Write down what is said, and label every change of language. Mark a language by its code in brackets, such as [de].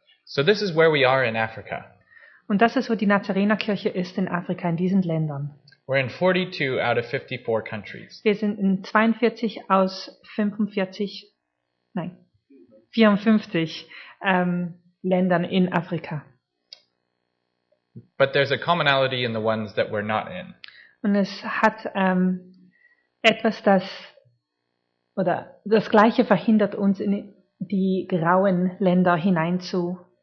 [en] So this is where we are in Africa. [de] Und das ist, wo die Nazarenerkirche ist in Afrika, in diesen Ländern. [en] We're in 42 out of 54 countries. [de] Wir sind in 42 aus 45, nein, 54 Ländern in Afrika. [en] But there's a commonality in the ones that we're not in. [de] Und es hat etwas, das oder das Gleiche verhindert uns, in die grauen Länder hineinzugehen.